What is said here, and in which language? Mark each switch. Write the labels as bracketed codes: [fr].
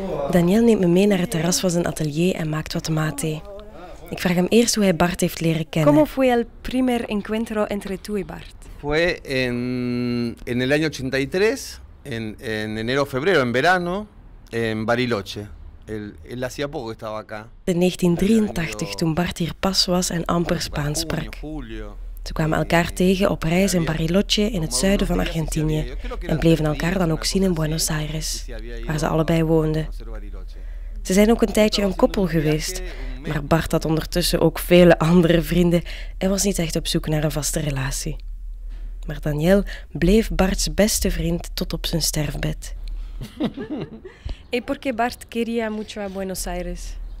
[nl] Daniel neemt me mee naar het terras van zijn atelier en maakt wat mate. Ik vraag hem eerst hoe hij Bart heeft leren kennen. [es] ¿Cómo fue el primer encuentro entre tú y Bart? Fue en el año 83, en enero o febrero, en verano, en Bariloche. Él hacía poco que estaba acá. [nl] In 1983, toen Bart hier pas was en amper Spaans sprak. Ze kwamen elkaar tegen op reis in Bariloche in het zuiden van Argentinië en bleven elkaar dan ook zien in Buenos Aires, waar ze allebei woonden. Ze zijn ook een tijdje een koppel geweest, maar Bart had ondertussen ook vele andere vrienden en was niet echt op zoek naar een vaste relatie. Maar Daniel bleef Bart's beste vriend tot op zijn sterfbed. [es] ¿Y por qué Bart quería mucho a Buenos Aires?